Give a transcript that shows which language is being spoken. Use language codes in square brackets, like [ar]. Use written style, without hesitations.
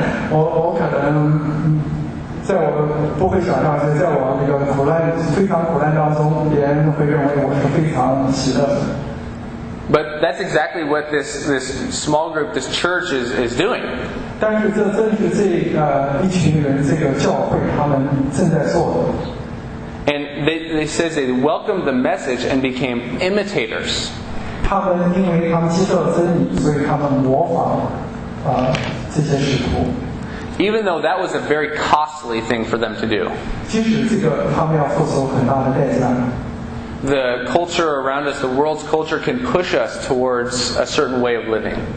[zh] 我不会想象是在我那个苦难非常苦难当中别人会认为我是非常喜乐的。 [en] But that's exactly what this small group, this church is doing. [zh] 但是这正是这一群人这个教会他们正在做的。 [en] And they says they welcomed the message and became imitators. [zh] 他们因为他们接受真理，所以他们模仿这些使徒。 [en] Even though that was a very costly thing for them to do. The culture around us, the world's culture, can push us towards a certain way of living.